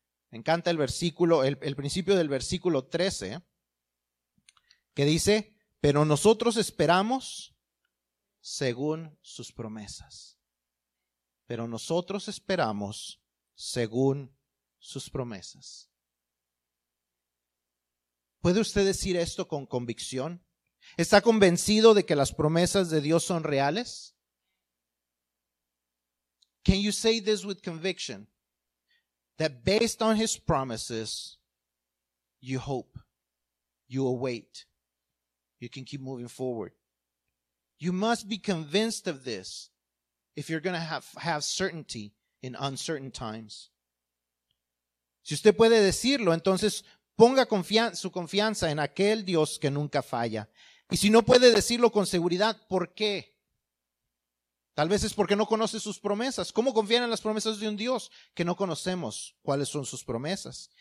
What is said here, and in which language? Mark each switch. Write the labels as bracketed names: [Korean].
[Spanish] Me encanta el principio del versículo 13, que dice: pero nosotros esperamos según sus promesas. Pero nosotros esperamos según sus promesas. ¿Puede usted decir esto con convicción? ¿Está convencido de que las promesas de Dios son reales? [English] Can you say this with conviction? That based on his promises, you hope, you await. You can keep moving forward. You must be convinced of this if you're going to have certainty in uncertain times. [Spanish] Si usted puede decirlo, entonces ponga su confianza en aquel Dios que nunca falla. Y si no puede decirlo con seguridad, ¿por qué? Tal vez es porque no conoce sus promesas. ¿Cómo confiar en las promesas de un Dios que no conocemos cuáles son sus promesas?